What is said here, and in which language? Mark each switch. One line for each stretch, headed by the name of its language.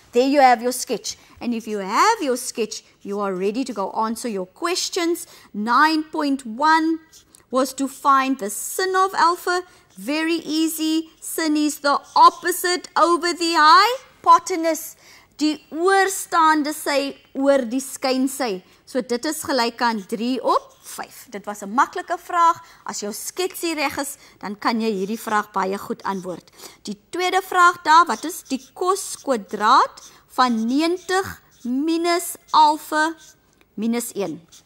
English: There you have your sketch. And if you have your sketch, you are ready to go answer your questions. 9.1 was to find the sin of alpha. Very easy. Sin is the opposite over the hypotenuse.
Afrikaans: Die oorstaande sy oor die skynsy. So dit is gelyk aan 3 op 5. Dit was 'n maklike vraag. As jou sketsie reg is, dan kan jy hierdie vraag baie goed antwoord. Die tweede vraag daar, wat is die cos kwadraat van 90 minus alfa minus 1?